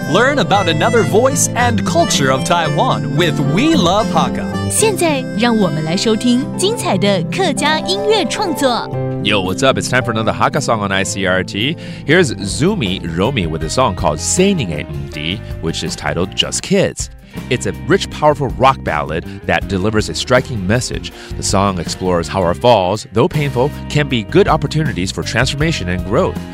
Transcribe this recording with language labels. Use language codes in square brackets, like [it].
[en] Learn about another voice and culture of Taiwan with We Love Hakka。 [zh] 现在让我们来收听精彩的客家音乐创作。 [en] Yo, what's up? It's time for another Hakka song on ICRT. Here's Zoomie, Romy with a song called 細人仔毋知, which is titled Just Kids. It's a rich, powerful rock ballad that delivers a striking message. The song explores how our falls, though painful, can be good opportunities for transformation and growth.